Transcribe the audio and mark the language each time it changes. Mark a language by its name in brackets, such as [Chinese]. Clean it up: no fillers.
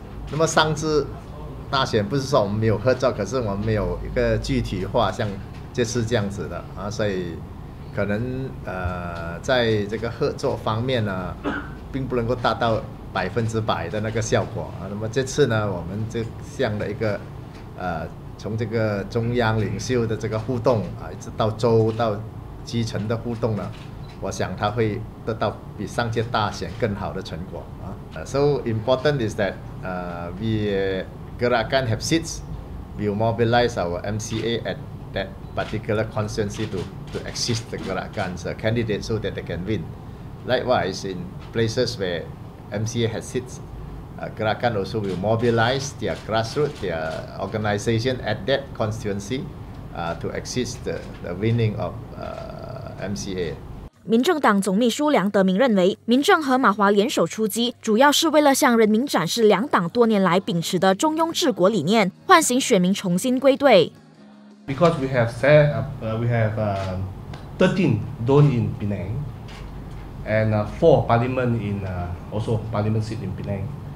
[Chinese] 那么上次大选不是说我们没有合作，可是我们没有一个具体化像这次这样子的啊，所以可能在这个合作方面呢，并不能够达到100%的那个效果啊。那么这次呢，我们这样的一个从这个中央领袖的这个互动啊，一直到州到基层的互动呢。我想他会得到比上届大选更好的成果啊。 [English] So important is that Gerakan have seats, we mobilize our MCA at that particular constituency to assist the Gerakan's candidate so that they can win. Likewise, in places where MCA has seats, Gerakan also will mobilize their grassroots, their organization at that constituency to assist the winning of MCA. [Chinese] 民政党总秘书梁德明认为，民政和马华联手出击，主要是为了向人民展示两党多年来秉持的中庸治国理念，唤醒选民重新归队。 [English] Because we have set up, we have 13 zones in Penang, and 4 parliament in also parliament seat in Penang.